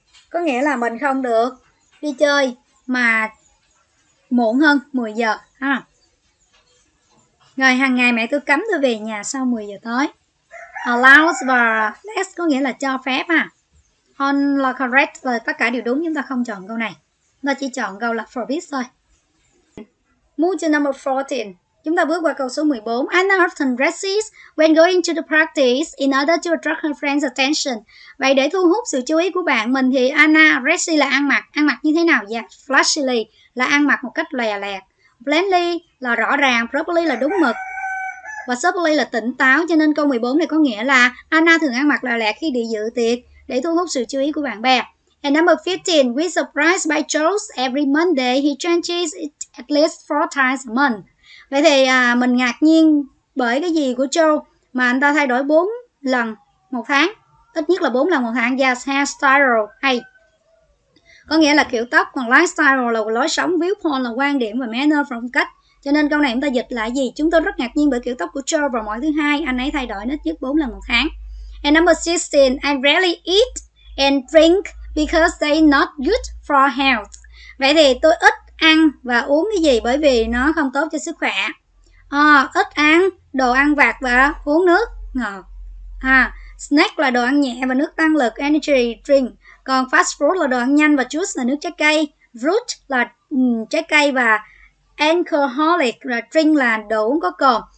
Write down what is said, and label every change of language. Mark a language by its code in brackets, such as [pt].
[vi] Có nghĩa là mình không được đi chơi mà muộn hơn 10 giờ, ha. Rồi, hàng ngày mẹ tôi cấm tôi về nhà sau 10 giờ tối. Allows và less có nghĩa là cho phép ha. On là correct, là tất cả đều đúng, chúng ta không chọn câu này. Chúng ta chỉ chọn câu là forbids thôi. [en] Move to number 14. [vi] Chúng ta bước qua câu số 14. [en] Anna often dresses when going to the practice in order to attract her friend's attention. [vi] Vậy để thu hút sự chú ý của bạn mình thì Anna dresses là ăn mặc. Ăn mặc như thế nào? Yeah, flashily là ăn mặc một cách lòe lẹt. Plainly là rõ ràng, properly là đúng mực. Và soberly là tỉnh táo, cho nên câu 14 này có nghĩa là Anna thường ăn mặc lòe lẹt khi đi dự tiệc để thu hút sự chú ý của bạn bè. [en] And number 15, we surprise by Charles every Monday, he changes it at least 4 times a month. [vi] Vậy thì mình ngạc nhiên bởi cái gì của Charles mà anh ta thay đổi 4 lần một tháng, ít nhất là 4 lần một tháng. Yes, hairstyle hay. Có nghĩa là kiểu tóc, còn lifestyle là lối sống, viewpoint là quan điểm và manner phong cách. Cho nên câu này chúng ta dịch là gì? Chúng tôi rất ngạc nhiên bởi kiểu tóc của Joe vào mỗi thứ hai, anh ấy thay đổi ít nhất 4 lần một tháng. [en] And number 16, I rarely eat and drink because they not good for health. [vi] Vậy thì tôi ít ăn và uống cái gì bởi vì nó không tốt cho sức khỏe. Ít ăn đồ ăn vặt và uống nước ngọt. Snack là đồ ăn nhẹ và nước tăng lực, energy drink. Còn fast food là đồ ăn nhanh và juice là nước trái cây. Fruit là trái cây và alcoholic là drink là đồ uống có cồn.